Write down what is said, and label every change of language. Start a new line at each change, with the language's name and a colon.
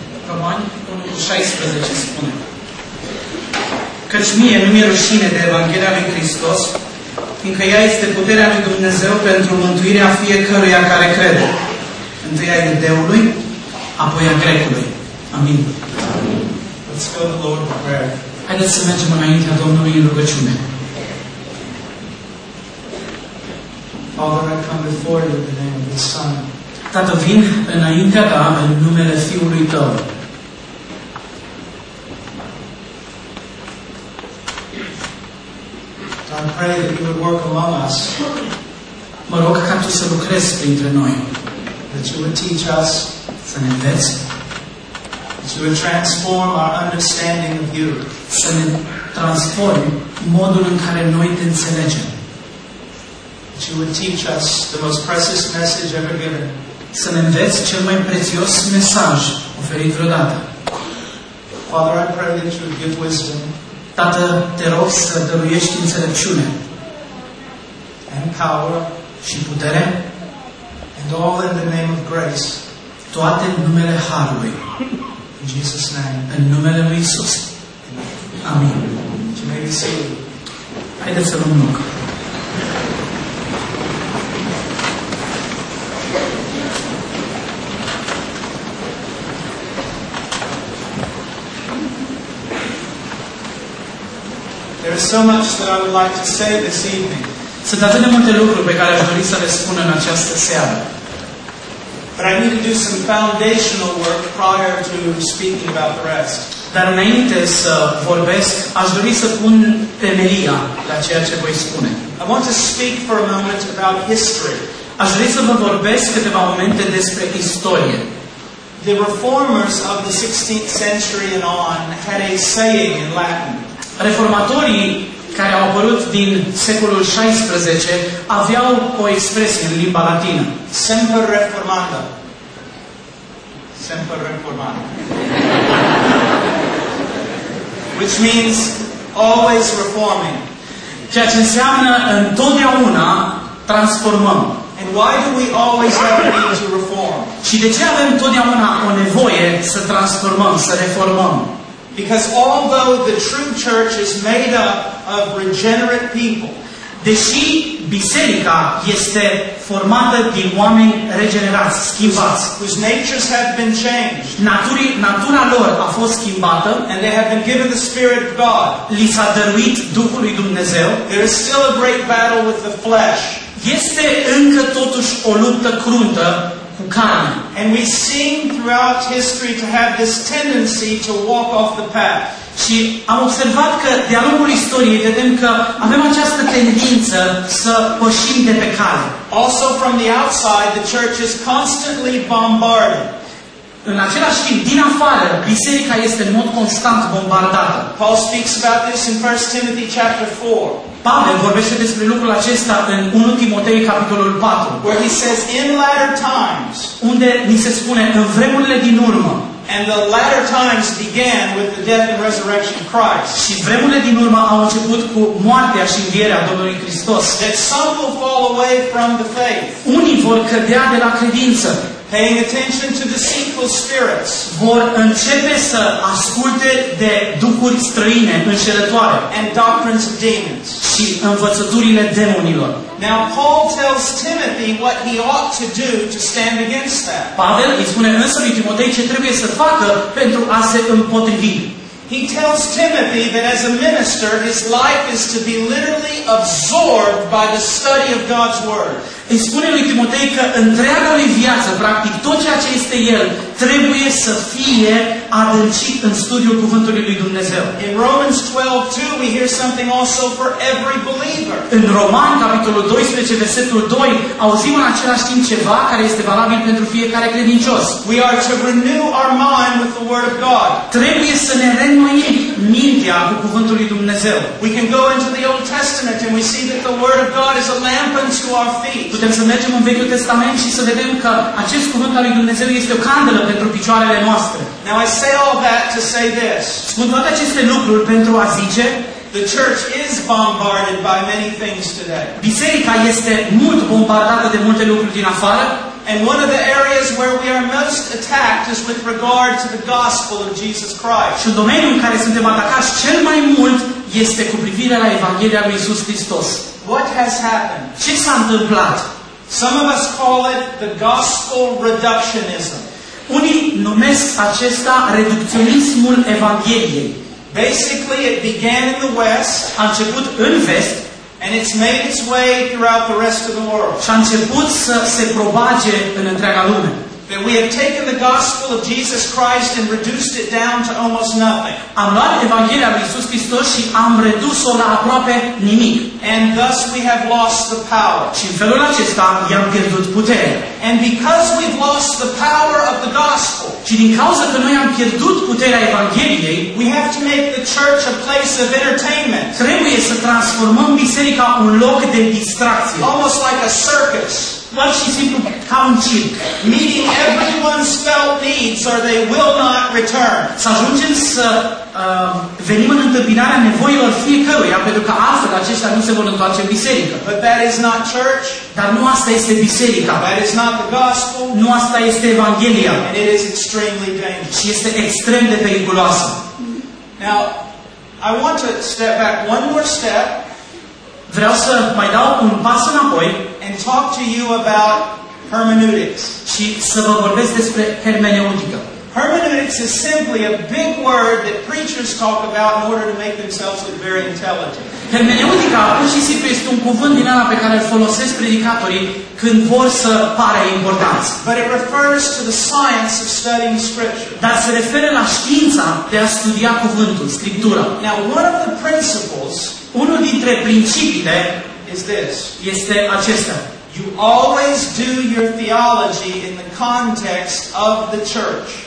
Romanian: Romani 1:16 spune: căci mie nu mi-e rușine de Evanghelia lui Hristos, fiindcă ea este puterea lui Dumnezeu pentru mântuirea fiecăruia care crede. Întâi a iudeului, apoi a grecului. Amin.
English: Amin. Let's go to the Lord in prayer.
Romanian: Haideți să mergem înaintea Domnului în rugăciune.
English: Father, I come before you in the name of the Son.
Romanian: Tată, vin înaintea ta în numele Fiului tău.
English: I pray that you would work among us.
Romanian: Mă rog ca tu să lucrezi printre noi.
English: That you would teach us.
Romanian: Să ne înveți.
English: That you would transform our understanding of you.
Romanian: Să ne transformi modul în care noi te înțelegem.
English: That you would teach us the most precious message ever given.
Romanian: Să ne înveți cel mai prețios mesaj oferit vreodată.
English: Father, I pray that you would give wisdom.
Romanian: Tată, te rog să dăruiești înțelepciune.
English: And power.
Romanian: Și putere.
English: And all in the name of grace.
Romanian: Toate în numele Harului.
English: In Jesus' name.
Romanian: În numele lui Iisus. Amin.
English: You may be seated.
Romanian: Haideți să luăm loc.
English: There's so much that I would like to say this evening.
Romanian: Sunt atât de multe lucruri pe care aș dori să le spun în această seară.
English: But I need to do some foundational work prior to speaking about the rest.
Romanian: Dar înainte să vorbesc, aș dori să pun temelia la ceea ce voi spune.
English: I want to speak for a moment about history.
Romanian: Aș dori să vă vorbesc câteva momente despre istorie.
English: The reformers of the 16th century and on had a saying in Latin.
Romanian: Reformatorii care au apărut din secolul 16 aveau o expresie în limba latină.
Latin: Semper reformanda. Semper reformanda.
English: Which means always reforming.
Romanian: Ceea ce înseamnă întotdeauna transformăm.
English: And why do we always have a need to reform?
Romanian: Și de ce avem întotdeauna o nevoie să transformăm, să reformăm?
English: Because although the true church is made up of regenerate people,
Romanian: deși biserica este formată din oameni regenerați, schimbați,
English: whose natures have been changed,
Romanian: natura lor a fost schimbată,
English: and they have been given the Spirit of God,
Romanian: li s-a dăruit Duhul lui Dumnezeu,
English: there is still a great battle with the flesh.
Romanian: Este încă totuși o luptă cruntă.
English: And we seem throughout history to have this tendency to walk off the path.
Romanian: Și am observat că de-a lungul istoriei vedem că avem această tendință să pășim de pe cale.
English: Also from the outside, the church is constantly bombarded.
Romanian: În același timp, din afară, biserica este în mod constant bombardată.
English: Paul speaks about this in 1 Timothy chapter 4.
Romanian: Pavel vorbește despre lucrul acesta în 1 Timotei capitolul 4.
English: Where he says in latter times.
Romanian: Unde ni se spune în vremurile din urmă.
English: And the latter times began with the death and resurrection of Christ.
Romanian: Și vremurile din urmă au început cu moartea și învierea Domnului Hristos.
English: That some will fall away from the faith.
Romanian: Unii vor cădea de la credință.
English: Paying attention to deceitful spirits.
Romanian: Vor începe să asculte de duhuri străine, înșelătoare.
English: And doctrines of demons.
Romanian: Și învățăturile demonilor.
English: Now Paul tells Timothy what he ought to do to stand against that.
Romanian: Pavel îi spune însă lui Timotei ce trebuie să facă pentru a se împotrivi.
English: He tells Timothy that as a minister, his life is to be literally absorbed by the study of God's word.
Romanian: Îi spune lui Timotei că întreaga lui viață, practic tot ceea ce este el, trebuie să fie adâncit în studiul cuvântului lui Dumnezeu.
English: In Romans 12:2, we hear something also for every believer.
Romanian: În Romani capitolul 12 versetul 2, auzim în același timp ceva care este valabil pentru fiecare credincios.
English: We are to renew our mind with the word of God.
Romanian: Trebuie să ne renoim mintea cu cuvântul lui Dumnezeu.
English: We can go into the Old Testament and we see that the word of God is a lamp unto our feet.
Romanian: Putem să mergem în Vechiul Testament și să vedem că acest cuvânt al lui Dumnezeu este o candelă pentru picioarele noastre.
English: Now I say all that to say this.
Romanian: Spun toate aceste lucruri pentru a zice:
English: the church is bombarded by many things today.
Romanian: Biserica este mult bombardată de multe lucruri din afară.
English: And one of the areas where we are most attacked is with regard to the gospel of Jesus Christ.
Romanian: Și domeniul în care suntem atacați cel mai mult este cu privire la Evanghelia lui Iisus Hristos.
English: What has happened?
Romanian: Ce s-a întâmplat?
English: Some of us call it the gospel reductionism.
Romanian: Unii numesc acesta reducționismul Evangheliei.
English: Basically, it began in the West.
Romanian: A început în vest.
English: And it's made its way throughout the rest of the world.
Romanian: Și a început să se propage în întreaga lume.
English: That we have taken the gospel of Jesus Christ and reduced it down to almost nothing.
Romanian: Am luat Evanghelia lui Iisus Hristos și am redus-o la aproape nimic.
English: And thus we have lost the power.
Romanian: Și în felul acesta i-am pierdut puterea.
English: And because we've lost the power of the gospel.
Romanian: Și din cauza că noi am pierdut puterea Evangheliei,
English: we have to make the church a place of entertainment.
Romanian: Trebuie să transformăm biserica un loc de distracție.
English: Almost like a circus.
Romanian: Pur și simplu ca un circ.
English: Meeting everyone's felt needs or they will not return.
Romanian: Să ajungem să venim în întâmpinarea nevoilor fiecăruia, pentru că astfel aceștia nu se vor întoarce în biserică.
English: But that is not church.
Romanian: Dar nu asta este biserica.
English: That is not the gospel.
Romanian: Nu asta este Evanghelia.
English: And it is extremely dangerous.
Romanian: Și este extrem de periculoasă.
English: Now, I want to step back one more step.
Romanian: Vreau să mai dau un pas înapoi.
English: And talk to you about hermeneutics.
Romanian: Și să vă vorbesc despre hermeneutică.
English: Hermeneutics is simply a big word that preachers talk about in order to make themselves look very intelligent.
Romanian: Hermeneutica, pur și simplu, este un cuvânt din ala pe care îl folosesc predicatorii când vor să pară importanți.
English: But it refers to the science of studying scripture.
Romanian: Dar se referă la știința de a studia cuvântul, scriptura.
English: Now, one of the principles,
Romanian: unul dintre principiile,
English: is this.
Romanian: Este acesta.
English: You always do your theology in the context of the church.